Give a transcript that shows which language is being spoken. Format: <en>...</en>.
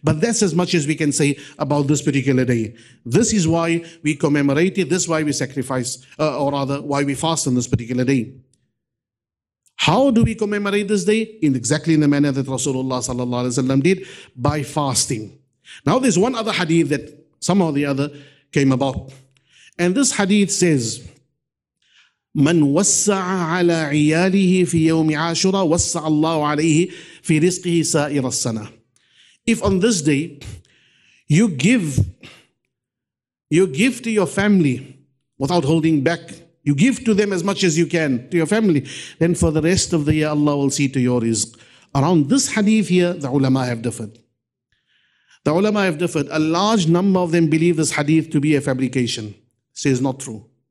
<en>But that's as much as we can say about this particular day. This is why we commemorate it. This is why we sacrifice, why we fast on this particular day. How do we commemorate this day? In exactly in the manner that Rasulullah sallallahu alaihi wasallam did, by fasting. Now there's one other hadith that somehow or the other came about. And this hadith says,</en> <ar>من وسع على عياله في يوم عاشوراء وسع الله عليه في رزقه سائر السنة.</ar> <en>If on this day you give to your family without holding back, you give to them as much as you can to your family, then for the rest of the year Allah will see to your rizq. Around this hadith here, the ulama have differed. A large number of them believe this hadith to be a fabrication. Say it's not true.</en>